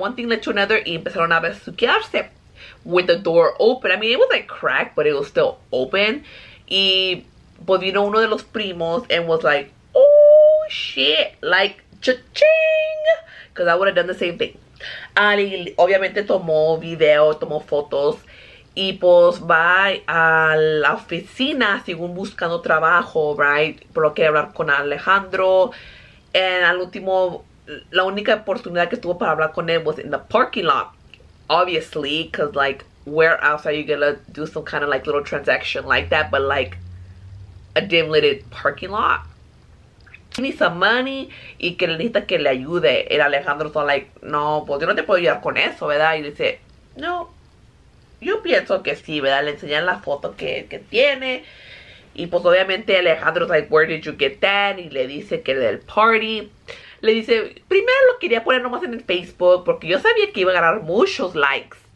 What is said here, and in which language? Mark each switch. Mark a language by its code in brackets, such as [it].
[en] One thing led to another [es] y empezaron a besuquearse [en] with the door open. I mean, it was like cracked, but it was still open. [es] Y pues vino uno de los primos [en] and was like, oh, shit. Like, cha-ching. Because I would have done the same thing. [es] Y obviamente tomó video, tomó fotos. Y pues va a la oficina, según buscando trabajo, right? Por lo que hablar con Alejandro. And al último, la única oportunidad que tuvo para hablar con él [en] was in the parking lot. Obviously, because like, where else are you gonna do some kind of like little transaction like that? But like, a dim-lidded parking lot. Need some money [es] y que necesita que le ayude. Y Alejandro está like, no, pues yo no te puedo ayudar con eso, ¿verdad? Y dice, no. Yo pienso que sí, ¿verdad? Le enseñan la foto que tiene. Y pues obviamente Alejandro's like, [en] where did you get that? [es] Y le dice que del party. Le dice, primero lo quería poner nomás en el Facebook porque yo sabía que iba a ganar muchos likes.